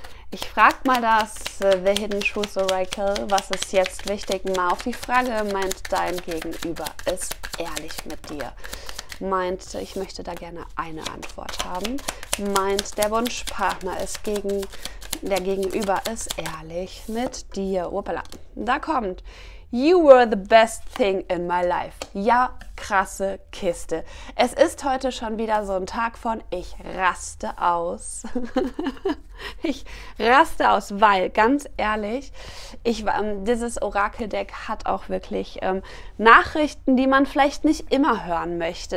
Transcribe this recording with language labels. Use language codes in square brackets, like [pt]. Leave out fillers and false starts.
[de] Ich frage mal das The Hidden Truth Oracle, was ist jetzt wichtig? Mal auf die Frage, meint dein Gegenüber ist ehrlich mit dir? Meint, ich möchte da gerne eine Antwort haben. Meint, der Wunschpartner ist gegen, der Gegenüber ist ehrlich mit dir. Upala. Da kommt, [en] you were the best thing in my life. [de] Ja, krasse Kiste. Es ist heute schon wieder so ein Tag von, ich raste aus. Ich raste aus, weil, ganz ehrlich, dieses Orakeldeck hat auch wirklich Nachrichten, die man vielleicht nicht immer hören möchte.